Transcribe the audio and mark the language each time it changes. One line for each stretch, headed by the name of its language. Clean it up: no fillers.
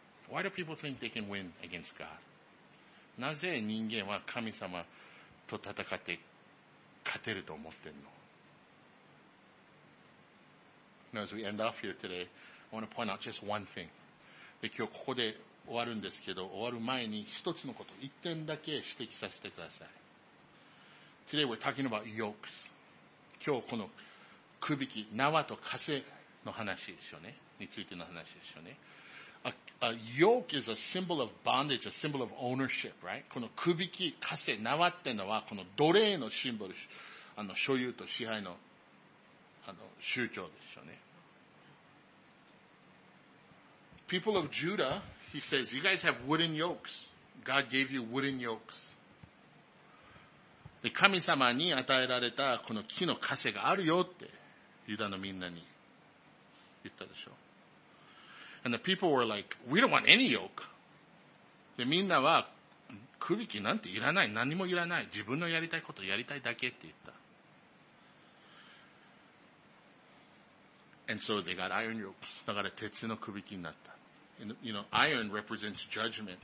English: Why do people think they can win against God?
Japanese: なぜ人間は神様と戦って勝てると思ってんの?
English: Now, as we end off here today, I want to point out just one thing.
Japanese: で、今日ここで終わるんですけど、終わる前に一つのこと、一点だけ指摘させてください。
English: Today we're talking about yokes.
Japanese: 今日このくびき、縄と枷の話でしょうね。についての話でしょうね。
English: A yoke is a symbol of bondage, a symbol of ownership, right?
Japanese: このくびき、枷、縄ってのはこの奴隷のシンボル、所有と支配の、象徴でしょうね。
English: People of Judah, he says, you guys have wooden yokes. God gave you wooden yokes.
Japanese: で、神様に与えられたこの木の枷があるよって、ユダのみんなに言ったでしょ。
English: And the people were like, we don't want any yoke.
Japanese: で、みんなは、くびきなんていらない。何もいらない。自分のやりたいことをやりたいだけって言った。
English: And so they got iron yokes.
Japanese: だから鉄のくびきになった。
English: You know, iron represents judgment.